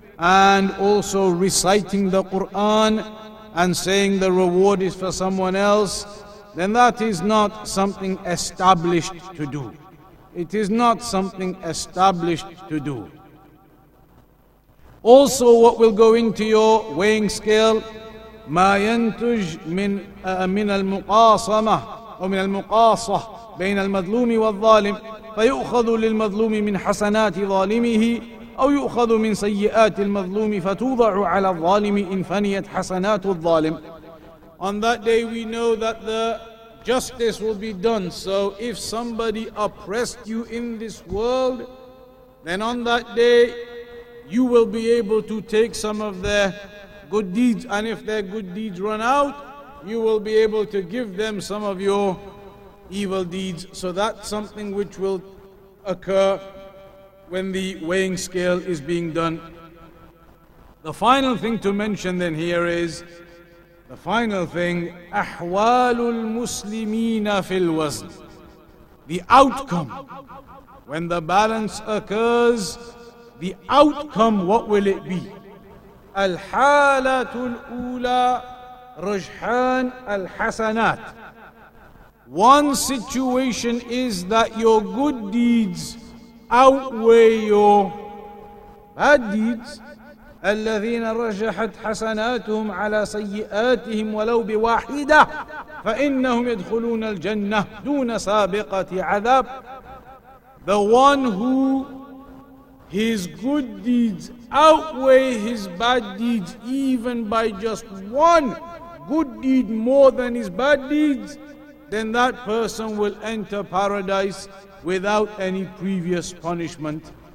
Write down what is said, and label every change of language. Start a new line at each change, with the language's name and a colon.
English: And also reciting the Quran and saying the reward is for someone else, then that is not something established to do. It is not something established to do. Also, what will go into your weighing scale?
Arabic: ما ينتج من من المقاصمة أو من المقاصة بين المظلوم والظالم فيؤخذ للمظلوم من حسنات ظالمه أو يؤخذ من سيئات المظلوم فتوضع على الظالم إن فنيت حسنات الظالم.
English: On that day we know that the justice will be done. So if somebody oppressed you in this world, then on that day you will be able to take some of their good deeds, and if their good deeds run out, you will be able to give them some of your evil deeds. So that's something which will occur when the weighing scale is being done. The final thing to mention then here is, the final thing,
Arabic: أحوال المسلمين في الوزن.
English: The outcome, when the balance occurs, the outcome, what will it be?
Arabic: الحالة الأولى رجحان الحسنات.
English: One situation is that your good deeds outweigh your bad deeds.
Arabic: الذين رجحت حسناتهم على سيئاتهم ولو بواحدة فإنهم يدخلون الجنة دون سابقة عذاب.
English: The one who his good deeds outweigh his bad deeds even by just one good deed more than his bad deeds, then that person will enter paradise without any previous punishment.